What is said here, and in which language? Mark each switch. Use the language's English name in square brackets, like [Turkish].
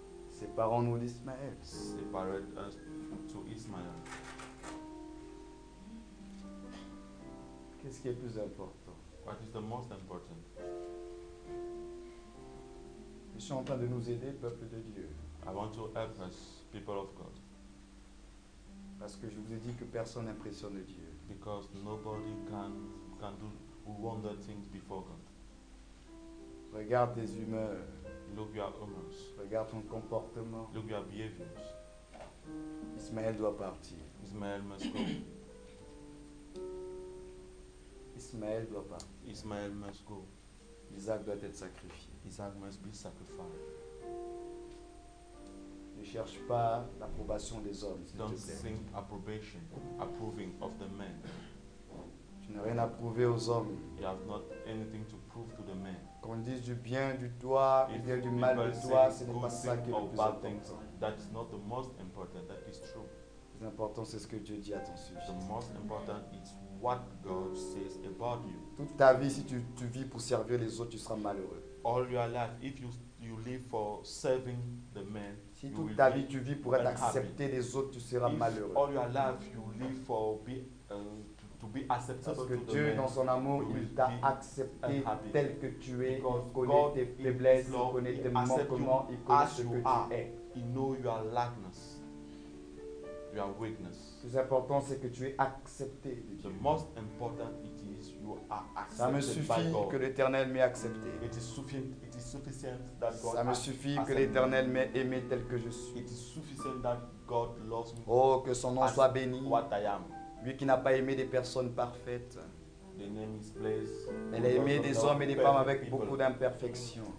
[French] Séparons-nous d'Ismaël. [English] Separate us to Ismaël. [French] Qu'est-ce qui est plus important? [English] What is the most important? [French] Ils sont en train de nous aider, peuple de Dieu. [English] I want to help us, people of God. [French] Parce que je vous ai dit que personne n'impressionne Dieu. [English] Because nobody can do wonder things before God. [French] Regarde tes humeurs. [English] Look your humors. [French] Regarde ton comportement. [English] Look your behaviors. [French] Ismaël doit partir. [English] Ismaël must go. [French] Ismaël doit partir. [English] Ismaël must go. [French] Isaac doit être sacrifié. [English] Isaac must be sacrificed. [French] Ne cherche pas l'approbation des hommes, s'il [English] Don't [French] te plaît. [English] Think approbation, approving of the men. [French] Tu n'as rien à prouver aux hommes. [English] You have not anything to prove to the men. [French] Qu'on dise du bien du toi, ou bien du mal de toi, ce n'est pas ça qui est le plus important. [English] Things, that is not the most important. That is true. [French] L'important c'est ce que Dieu dit à ton sujet. [English] The most important is what God says about you. [French] Toute ta vie, si tu vis pour servir les autres, tu seras malheureux. [English] All your life, if you live for serving the men, [French] si toute ta vie tu vis pour être accepté des autres, tu seras malheureux. [English] All your life you live for to be accepted. [French] Parce que Dieu, dans son amour, il t'a accepté tel que tu es. [English] Because [French] il connaît tes faiblesses, il connaît tes manquements, il connaît ce que tu es. [English] He knows your lackness. Your weakness. [French] Le plus important, c'est que tu es accepté de Dieu. [English] The most important it is you are accepted. [French] Ça me suffit que l'Éternel m'ait accepté. [English] It is sufficient that God. [French] Ça me suffit que l'Éternel m'ait aimé tel que je suis. [English] It is sufficient that God loves me. [French] Oh, que son nom soit béni. [English] What I am. [French] Lui qui n'a pas aimé des personnes parfaites. [English] The name is blessed. [French] Elle a aimé des hommes et des femmes avec beaucoup d'imperfections.